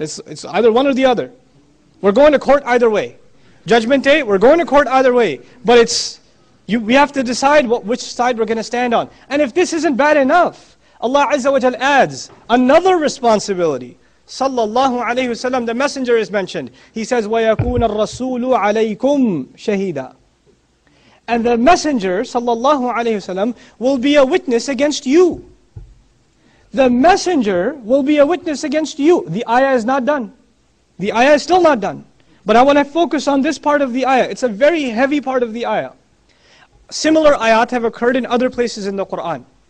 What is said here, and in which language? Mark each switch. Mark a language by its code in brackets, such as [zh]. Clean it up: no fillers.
[en] It's either one or the other. We're going to court either way. Judgment day, we're going to court either way. But we have to decide which side we're going to stand on. And if this isn't bad enough, Allah Azza wa Jal adds another responsibility. Sallallahu alayhi wa sallam, the messenger is mentioned. He says, [ar] وَيَكُونَ الرَّسُولُ عَلَيْكُمْ شَهِيدًا. [en] And the messenger, sallallahu alayhi wa sallam, will be a witness against you. The messenger will be a witness against you. The ayah is not done. The ayah is still not done. But I want to focus on this part of the ayah. It's a very heavy part of the ayah. Similar ayat have occurred in other places in the Quran.